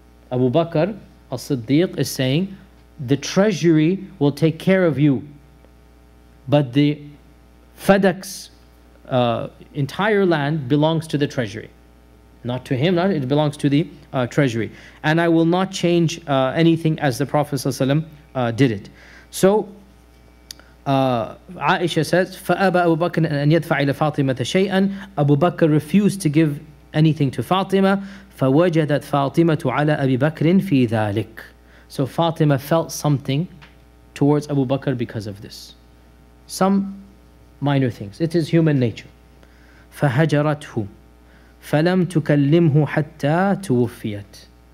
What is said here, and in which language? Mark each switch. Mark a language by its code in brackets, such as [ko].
[en] Abu Bakr as-Siddiq is saying the treasury will take care of you, but the Fadak's entire land belongs to the treasury, not to him, it belongs to the treasury, and I will not change anything as the Prophet did it. So Aisha says, [ar] فَأَبَى أَبُو بَكْرٍ أَنْ يَدْفَعْ إِلَى فَاطِمَةَ شَيْئًا. [en] Abu Bakr refused to give anything to Fatima. [ar] فَوَجَدَتْ فَاطِمَةُ عَلَىٰ أَبِي بَكْرٍ فِي ذَلِكَ. [en] So Fatima felt something towards Abu Bakr because of this. Some minor things. It is human nature. [ar] فَهَجَرَتْهُ فَلَمْ تُكَلِّمْهُ حَتَّى تُوُفِّيَتْ.